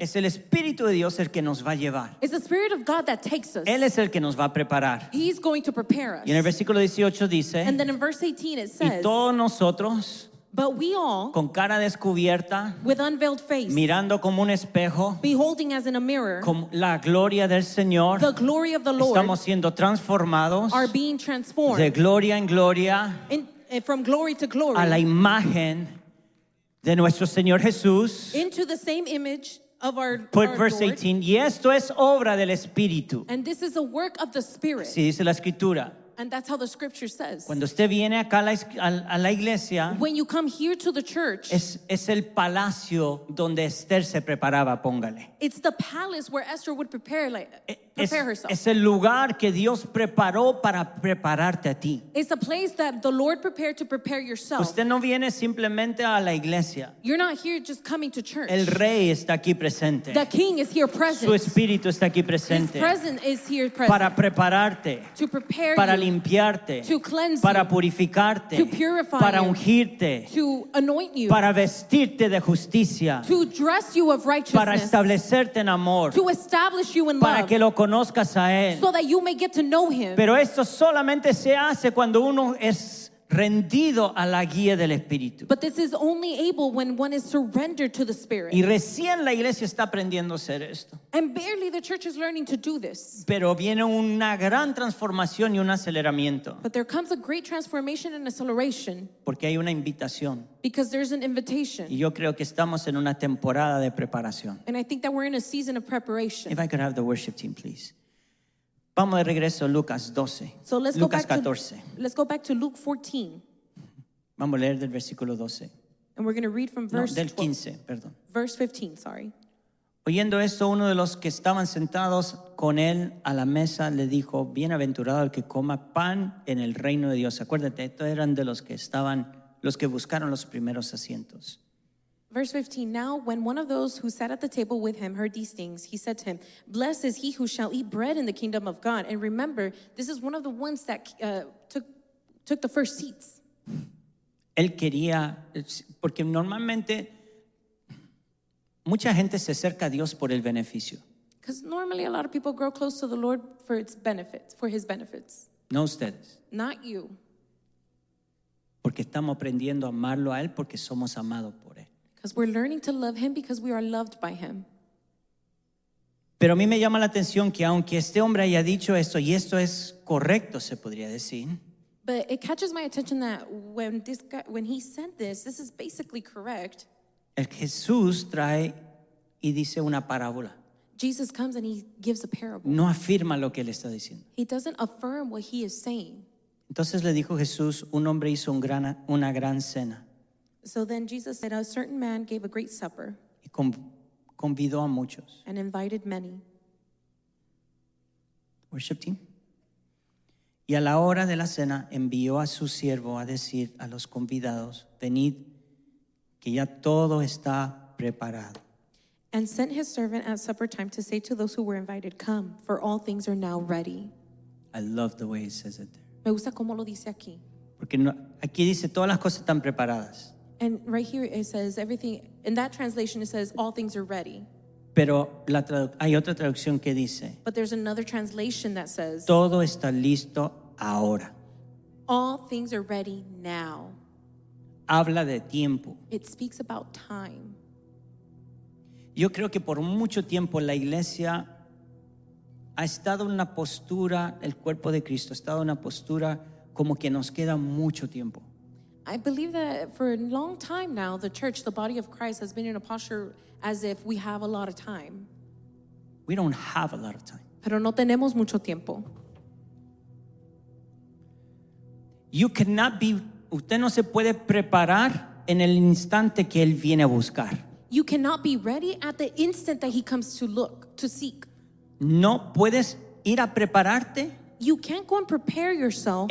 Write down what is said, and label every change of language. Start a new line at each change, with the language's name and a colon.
Spanish: Es el Espíritu de Dios el que nos va a llevar.
English: It's the Spirit of God that takes us.
Spanish: Él es el que nos va a preparar.
English: He's going to prepare us.
Spanish: Y en el versículo 18 dice,
English: and then in verse 18 it says,
Spanish: y todos nosotros,
English: but we all,
Spanish: con cara descubierta,
English: with unveiled face,
Spanish: mirando como un espejo,
English: beholding as in a mirror,
Spanish: como la gloria del Señor,
English: the glory of the Lord,
Spanish: estamos siendo transformados,
English: are being transformed,
Spanish: de gloria en gloria,
English: from glory to glory,
Spanish: a la imagen de nuestro Señor Jesús,
English: into the same image of our Lord. Put verse 18,
Spanish: y esto es obra del Espíritu.
English: And this is a work of the Spirit.
Spanish: Sí, dice la Escritura.
English: And that's how the scripture says.
Spanish: Cuando usted viene acá a la iglesia,
English: when you come here to the church,
Spanish: es el palacio donde Esther se preparaba, póngale.
English: It's the palace where Esther would prepare herself.
Spanish: Es el lugar que Dios preparó para prepararte a ti.
English: It's a place that the Lord prepared to prepare yourself.
Spanish: Usted no viene simplemente a la iglesia.
English: You're not here just coming to church.
Spanish: El rey está aquí presente.
English: The king is here present.
Spanish: Su espíritu está aquí presente.
English: His presence is here present.
Spanish: Para prepararte.
English: To prepare
Spanish: para
English: you.
Spanish: Para limpiarte.
English: To cleanse you.
Spanish: Para purificarte.
English: To purify you.
Spanish: Para ungirte.
English: To anoint you.
Spanish: Para vestirte de justicia.
English: To dress you of righteousness.
Spanish: Para establecerte en amor.
English: To establish you in love.
Spanish: Para que lo conozcas a él.
English: So that you may get to know him.
Spanish: Pero esto solamente se hace cuando uno es rendido a la guía del Espíritu.
English: But this is only able when one is surrendered to the Spirit.
Spanish: Y recién la iglesia está aprendiendo a hacer esto.
English: And barely the church is learning to do this.
Spanish: Pero viene una gran transformación y un aceleramiento.
English: But there comes a great transformation and acceleration.
Spanish: Porque hay una invitación.
English: Because there's an invitation.
Spanish: Y yo creo que estamos en una temporada de preparación.
English: And I think that we're in a season of preparation. If I could have the worship team, please.
Spanish: Vamos de regreso a Lucas 12.
English: So let's
Spanish: Lucas
English: go back
Spanish: 14.
English: To, let's go back to Luke 14.
Spanish: Vamos a leer del versículo 12.
English: And we're going to read from verse
Spanish: no, del 15, 12, perdón.
English: Verse 15, sorry.
Spanish: Oyendo esto, uno de los que estaban sentados con él a la mesa le dijo, bienaventurado el que coma pan en el reino de Dios. Acuérdate, estos eran de los que estaban, los que buscaron los primeros asientos.
English: Verse 15, now when one of those who sat at the table with him heard these things, he said to him, blessed is he who shall eat bread in the kingdom of God. And remember, this is one of the ones that took the first seats.
Spanish: Él quería, porque normalmente mucha gente se acerca a Dios por el beneficio.
English: Because normally a lot of people grow close to the Lord for its benefits, for his benefits.
Spanish: No ustedes.
English: Not you.
Spanish: Porque estamos aprendiendo a amarlo a él porque somos amados por él.
English: Because we're learning to love him because we are loved by him.
Spanish: Pero a mí me llama la atención que aunque este hombre haya dicho esto, y esto es correcto, se podría decir.
English: But it catches my attention that when this guy, when he said this, this is basically correct.
Spanish: El Jesús trae y dice una parábola.
English: Jesus comes and he gives a parable.
Spanish: No afirma lo que él está diciendo.
English: He doesn't affirm what he is saying.
Spanish: Entonces le dijo Jesús, un hombre hizo una gran cena.
English: So then Jesus said, a certain man gave a great supper
Spanish: y convidó a muchos.
English: And invited many. Worship team.
Spanish: Y a la hora de la cena envió a su siervo a decir a los convidados, venid, que ya todo está preparado.
English: And sent his servant at supper time to say to those who were invited, come, for all things are now ready. I love the way it says it there.
Spanish: Me gusta cómo lo dice aquí. Porque no, aquí dice, todas las cosas están preparadas.
English: And right here it says everything, in that translation it says all things are ready.
Spanish: Pero hay otra traducción que dice,
English: but there's another translation that says,
Spanish: todo está listo ahora.
English: All things are ready now.
Spanish: Habla de tiempo.
English: It speaks about time.
Spanish: Yo creo que por mucho tiempo la iglesia ha estado en una postura, el cuerpo de Cristo ha estado en una postura como que nos queda mucho tiempo.
English: I believe that for a long time now, the church, the body of Christ, has been in a posture as if we have a lot of time. We don't have a lot of time.
Spanish: Pero no tenemos mucho tiempo.
English: You cannot be,
Spanish: usted no se puede preparar en el instante que él viene a buscar.
English: You cannot be ready at the instant that he comes to look, to seek.
Spanish: No puedes ir a prepararte.
English: You can't go and prepare yourself